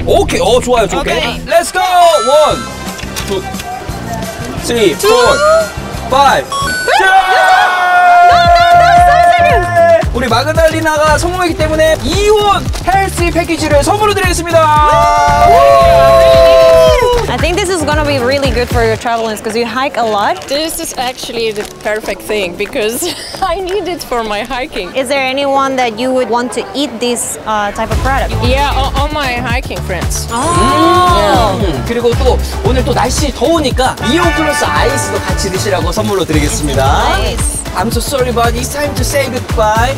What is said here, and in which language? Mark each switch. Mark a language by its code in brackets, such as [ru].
[en] Okay. [ko] 오, 좋아요. 좋게. [en] Okay. Let's go. 1, 2, 3, 4, 5. [ko] 우리 마그달리나가 성공했기 때문에 이온 헬스 패키지를 선물로 드리겠습니다. [en] I think this is gonna be really good for your travelings because you hike a lot. This is actually the perfect thing because I need it for my hiking. Is there anyone that you would want to eat this type of product? Yeah, all my hiking friends. Yeah. [ko] 그리고 또 오늘 또 날씨 더우니까 이온 플러스 아이스도 같이 드시라고 선물로 드리겠습니다. [en] I'm so sorry, but it's time to say goodbye.